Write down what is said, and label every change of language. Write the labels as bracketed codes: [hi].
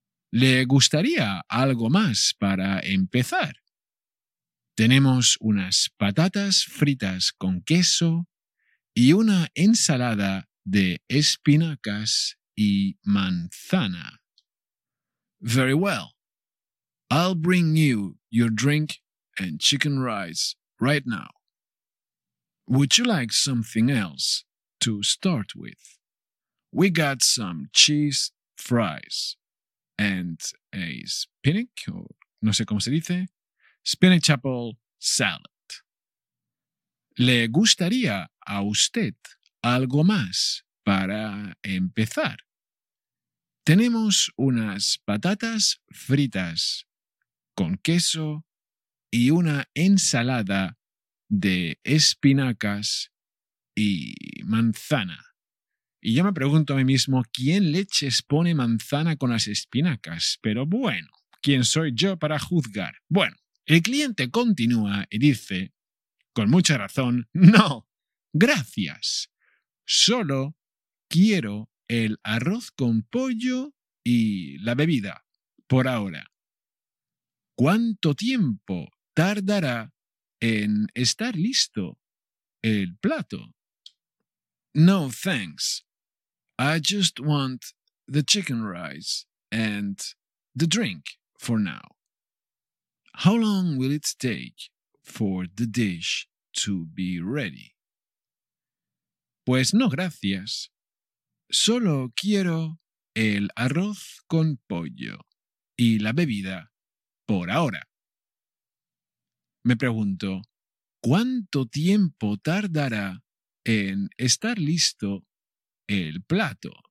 [es] ¿Le gustaría algo más para empezar? Tenemos unas patatas fritas con queso y una ensalada de espinacas y manzana. [en] Very well. I'll bring you your drink and chicken rice right now. Would you like something else? To start with, we got some cheese fries and a spinach, or [es] no sé cómo se dice, [en] spinach apple salad. [es] ¿Le gustaría a usted algo más para empezar? Tenemos unas patatas fritas con queso y una ensalada de espinacas y manzana. Y yo me pregunto a mí mismo, ¿quién leches pone manzana con las espinacas? Pero bueno, ¿quién soy yo para juzgar? Bueno, el cliente continúa y dice, con mucha razón, no, gracias. Solo quiero el arroz con pollo y la bebida, por ahora. ¿Cuánto tiempo tardará en estar listo el plato? [en] No, thanks. I just want the chicken rice and the drink for now. How long will it take for the dish to be ready? [es] Pues no, gracias. Solo quiero el arroz con pollo y la bebida por ahora. Me pregunto, ¿cuánto tiempo tardará en estar listo el plato?